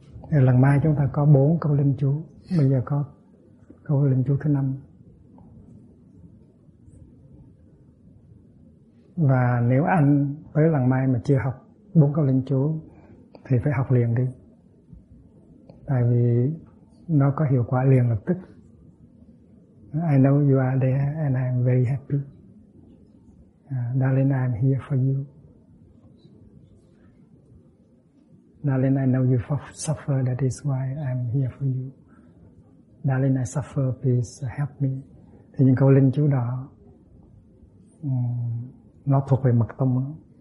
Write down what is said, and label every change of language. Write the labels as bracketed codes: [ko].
[vi] Lần mai chúng ta có 4 câu linh chú, bây giờ có câu linh chú thứ 5. Và nếu anh tới lần mai mà chưa học 4 câu linh chú thì phải học liền đi. Tại vì nó có hiệu quả liền lập tức. [en] I know you are there and I am very happy. Darling, I am here for you. Darling, I know you suffer, that is why I'm here for you. Darling, I suffer, please help me. [vi] Thì những câu linh chú đó, nó thuộc về mật tông đó.